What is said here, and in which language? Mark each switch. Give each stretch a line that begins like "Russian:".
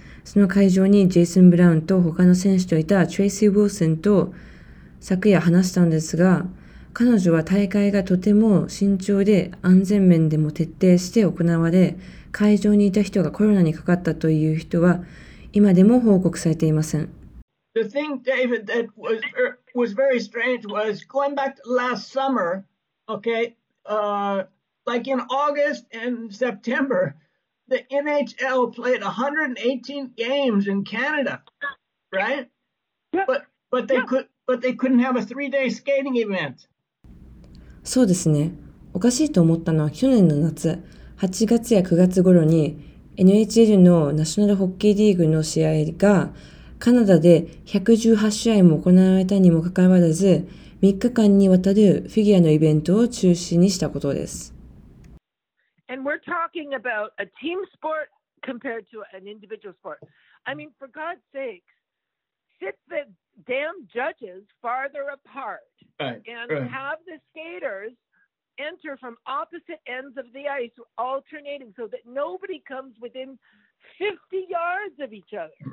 Japanese: その会場にジェイソン・ブラウンと他の選手といたトレイシー・ウォーセンと昨夜話したんですが、彼女は大会がとても慎重で安全面でも徹底して行われ、会場にいた人がコロナにかかったという人は今でも報告されていません。
English: The thing, David, that was very strange was going back to last summer, okay, like in August and September, the NHL played 118 games in Canada, right? Yep. But they couldn't have a three-day skating event.
Japanese: そうですね。おかしいと思ったのは去年の夏、8月や9月頃に NHL のナショナルホッケーリーグの試合がカナダで118試合も行われたにもかかわらず、3日間にわたるフィギュアのイベントを中止にしたことです。
English: And we're talking about a team sport compared to an individual sport. I mean, for God's sake, sit the damn judges farther apart and have the skaters enter from opposite ends of the ice, alternating so that nobody comes within 50 yards of each other.